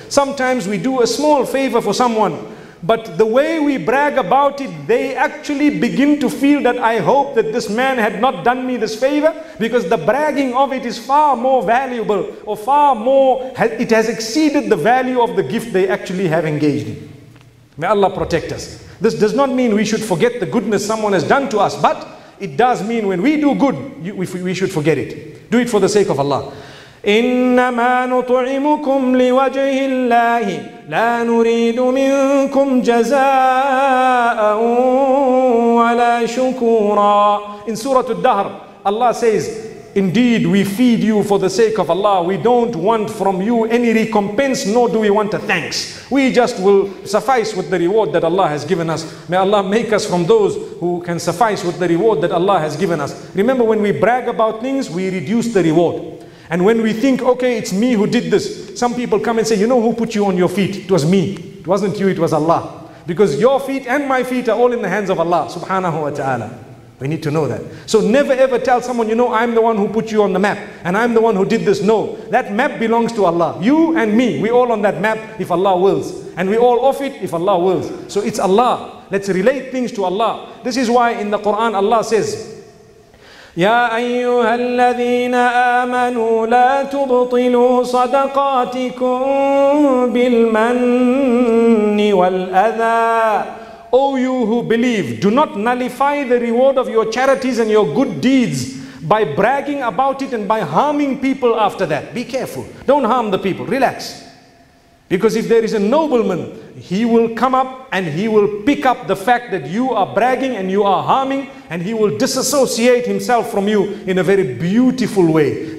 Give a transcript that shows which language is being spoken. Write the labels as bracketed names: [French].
[English] Sometimes we do a small favor for someone, but the way we brag about it, they actually begin to feel that I hope that this man had not done me this favor, because the bragging of it is far more valuable, or far more, it has exceeded the value of the gift they actually have engaged in. May Allah protect us. This does not mean we should forget the goodness someone has done to us, but it does mean when we do good, we should forget it. Do it for the sake of Allah. [Arabic] إنما نطعمكم لوجه الله لا نريد منكم جزاء ولا شكورا. [English] In Surah Al-Dahr, Allah says, indeed we feed you for the sake of Allah. We don't want from you any recompense, nor do we want a thanks. We just will suffice with the reward that Allah has given us. May Allah make us from those who can suffice with the reward that Allah has given us. Remember, when we brag about things, we reduce the reward. And when we think, okay, it's me who did this, some people come and say, you know who put you on your feet? It was me. It wasn't you, it was Allah. Because your feet and my feet are all in the hands of Allah, [Arabic] subhanahu wa ta'ala. [English] We need to know that. So never ever tell someone, you know, I'm the one who put you on the map, and I'm the one who did this. No, that map belongs to Allah. You and me, we all on that map if Allah wills. And we all off it if Allah wills. So it's Allah. Let's relate things to Allah. This is why in the Quran, Allah says, [Arabic] يا أيها الذين آمنوا لا تبطلوا صدقاتكم بالمن والأذى. [English] O you who believe, do not nullify the reward of your charities and your good deeds by bragging about it and by harming people after that. Be careful. Don't harm the people. Relax. Because if there is a nobleman, he will come up and he will pick up the fact that you are bragging and you are harming, and he will disassociate himself from you in a very beautiful way.